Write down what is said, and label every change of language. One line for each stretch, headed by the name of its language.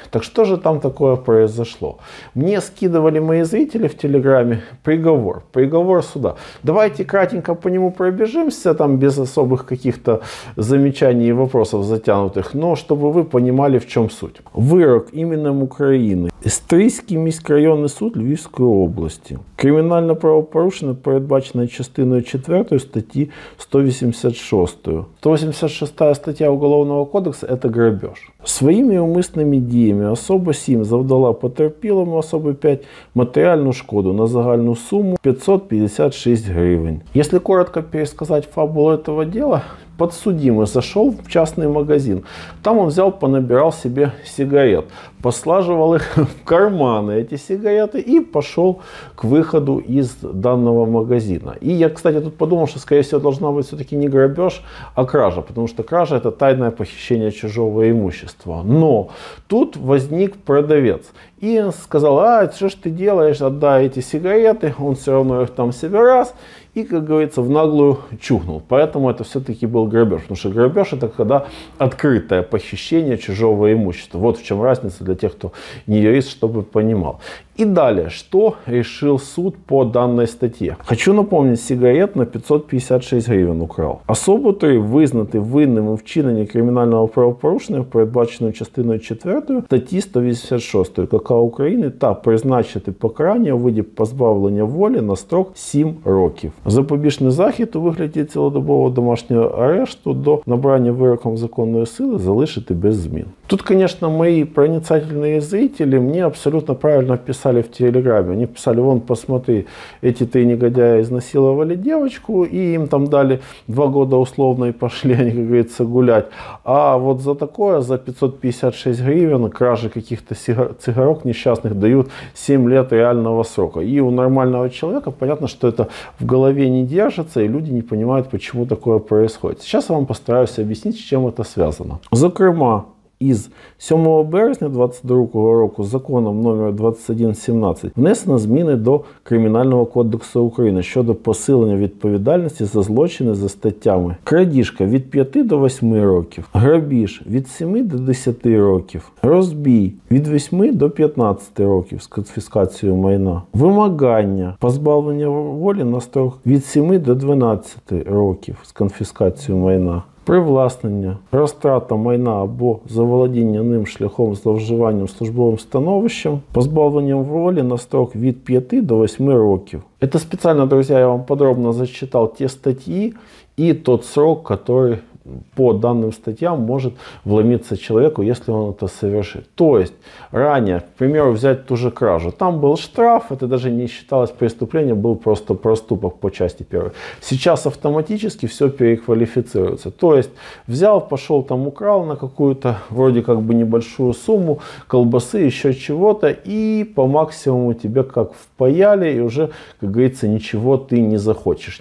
Russian: Так что же там такое произошло? Мне скидывали мои зрители в телеграме приговор суда. Давайте кратенько по нему пробежимся, там без особых каких-то замечаний и вопросов затянутых, но чтобы вы понимали, в чем суть. Вырок именем Украины.
Ukrainian: Стрийский міськрайонний суд Львівської області. Кримінальне правопорушення передбачено частиною 4 статті 186. 186 стаття
Russian: Уголовного кодексу
Ukrainian: – це грабіж. Своїми умисними діями особа 7 завдала потерпілому особи 5 матеріальну шкоду на загальну суму 556 гривень. Якщо коротко пересказати фабулу цього діла,
Russian: подсудимый зашел в частный магазин. Там он взял, понабирал себе сигарет, послаживал их в карманы, эти сигареты, и пошел к выходу из данного магазина. И я, кстати, тут подумал, что, скорее всего, должна быть все-таки не грабеж, а кража, потому что кража – это тайное похищение чужого имущества. Но тут возник продавец. И сказал: а что ж ты делаешь, отдай эти сигареты, он все равно их там себе раз, и, как говорится, в наглую чухнул. Поэтому это все-таки был грабеж, потому что грабеж — это когда открытое похищение чужого имущества. Вот в чем разница для тех, кто не юрист, чтобы понимал. И далее, что решил суд по данной статье? Хочу напомнить, сигарет на 556 гривен украл.
Ukrainian: Особо 3 визнати винним у вчиненні кримінального правопорушення, передбаченого частиною 4 статті 186 КК України, та призначити покарання у виді позбавлення волі на строк 7 років. Запобіжний захід у вигляді цілодобового домашнього арешту до набрання вироком законної сили залишити без змін.
Russian: Тут, конечно, мои проницательные зрители мне абсолютно правильно писали в телеграме. Они писали: вон, посмотри, эти три негодяя изнасиловали девочку, и им там дали 2 года условно, и пошли они, как говорится, гулять. А вот за такое, за 556 гривен, кражи каких-то цигарок несчастных, дают 7 лет реального срока. И у нормального человека понятно, что это в голове не держится, и люди не понимают, почему такое происходит. Сейчас я вам постараюсь объяснить, с чем это связано.
Ukrainian: Зокрема, із 7 березня 2022 року законом номер 2117 внесено зміни до Кримінального кодексу України щодо посилення відповідальності за злочини за статтями крадіжка від 5 до 8 років, грабіж від 7 до 10 років, розбій від 8 до 15 років з конфіскацією майна, вимагання, позбавлення волі на строк від 7 до 12 років з конфіскацією майна, привласнення, розтрата майна або заволодіння ним шляхом зловживання службовим становищем, позбавленням волі на строк від 5 до 8 років. Це спеціально, друзі, я вам подробно зачитав ті статті і той срок, який
Russian: по данным статьям может вломиться человеку, если он это совершит. То есть, ранее, к примеру, взять ту же кражу. Там был штраф, это даже не считалось преступлением, был просто проступок по части первой. Сейчас автоматически все переквалифицируется. То есть, взял, пошел там, украл на какую-то, вроде как бы небольшую сумму, колбасы, еще чего-то, и по максимуму тебе как впаяли, и уже, как говорится, ничего ты не захочешь.